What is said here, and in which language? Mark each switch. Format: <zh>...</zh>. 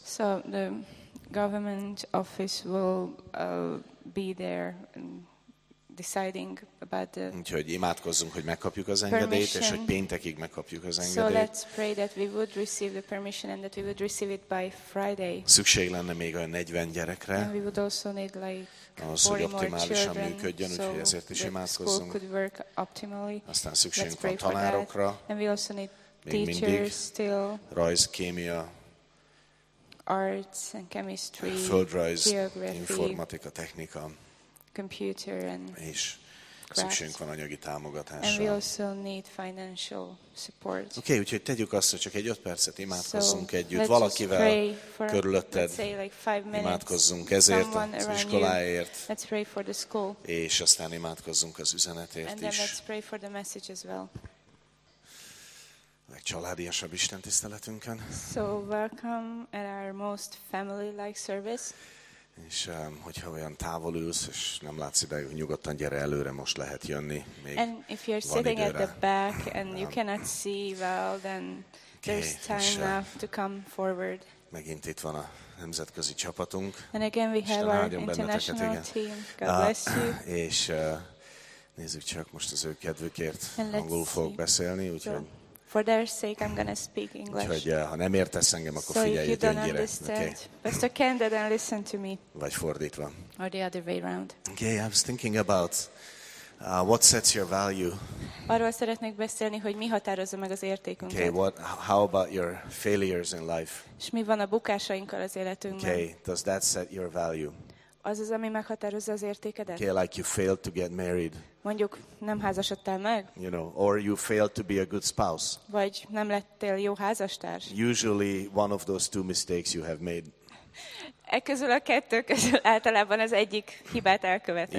<en>So the government office will be there deciding about the</en> <hu>Úgyhogy imádkozzunk, hogy megkapjuk az engedélyt, és hogy péntekig megkapjuk az engedélyt.</hu> <en>So let's pray that we would receive the permission and that we would receive it by Friday.</en> <hu>Szükség lenne még olyan 40 gyerekre.</hu> <en>And we would also need like</en> <hu>ahhoz, hogy optimálisan működjön, úgyhogy</hu> <en>so</en> <hu>ezért is imádkozzunk.</hu> <en>Could work optimally.</en> <hu>Aztán szükségünk van tanárokra.</hu> <en>And we also need teachers still.</en> <hu>Rajz, kémia,</hu> <en>arts and chemistry,</en> <hu>földrajz, informatika, technika.</hu> <en>Computer and</en> <hu>és szükségünk van anyagi támogatásra.</hu> <en>And we also need financial support.</en> <hu>Okay, úgyhogy tegyük azt, hogy csak egy 5 percet imádkozzunk együtt valakivel körülötted. Imádkozzunk ezért az iskoláért.</hu> <en>Let's pray for the school.</en> <hu>És aztán imádkozzunk az üzenetért</hu> <en>is. And then let's pray for the message as well.</en> <hu>Legcsaládiasabb Isten tiszteletünkön.</hu> <en>So welcome at our most family-like service.</en> <hu>És hogyha olyan távol ülsz, és nem látsz ide, nyugodtan gyere előre, most lehet jönni. Még</hu> <en>and if you're sitting</en> <hu>időre.</hu> <en>At the back and you cannot see well, then there's time enough to come forward.</en> <hu>Megint itt van a nemzetközi csapatunk.</hu> <en>And again we have our international team. God bless you.</en> <hu>És nézzük csak most az ő kedvükért. Angolul fogok beszélni, úgyhogy...</hu> <en>For their sake, I'm gonna speak English.</en> <hu>Úgyhogy, ha nem értesz engem, akkor figyelj</hu> <en>so gyöngyére. Best okay. Can then listen to me.</en> <hu>Vagy fordítva.</hu> <en>Or the other way around. Okay, I was thinking about what sets your value.</en> <hu>Arról szeretnék beszélni, hogy mi határozza meg az értékünket.</hu> <en>Okay, what? How about your failures in life?</en> <hu>És mi van a bukásainkkal az életünkben?</hu> <en>Okay, does that set your value?</en> <hu>Az az, ami meghatározza az értékedet.</hu> <en>Okay, like you failed to get married.</en> <hu>Mondjuk nem házasodtál meg.</hu> <en>You know, or you failed to be a good spouse.</en> <hu>Vagy nem lettél jó házastárs.</hu> <en>Usually one of those two mistakes you have made.</en> <hu>E közül a kettő közül általában az egyik hibát elkövetett.</hu>